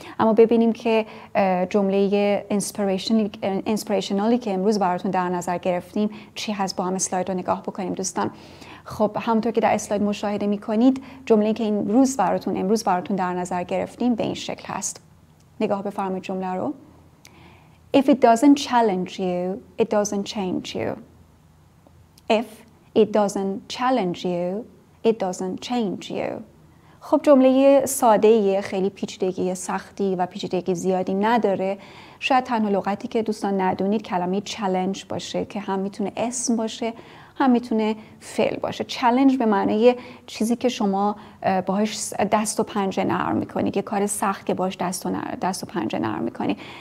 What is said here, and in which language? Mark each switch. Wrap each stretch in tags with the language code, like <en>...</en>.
<fa>اما ببینیم که جمله inspirationally که امروز براتون در نظر گرفتیم چی هست، با هم اسلاید رو نگاه بکنیم دوستان. خب همونطور که در اسلاید مشاهده می‌کنید، جمله‌ای که امروز براتون در نظر گرفتیم به این شکل هست. نگاه بفرمایید جمله رو.</fa> <en>If it doesn't challenge you, it doesn't change you. If it doesn't challenge you, it doesn't change you.</en> <fa>خب جمله ساده ای، خیلی پیچیدگی سختی و پیچیدگی زیادی نداره. شاید تنها لغتی که دوستان ندونید کلمه چالش باشه که هم میتونه اسم باشه هم میتونه فعل باشه. چالش به معنی چیزی که شما باهاش دست و پنجه نرم میکنید، یه کار سخت که باهاش دست و پنجه نرم میکنید.</fa>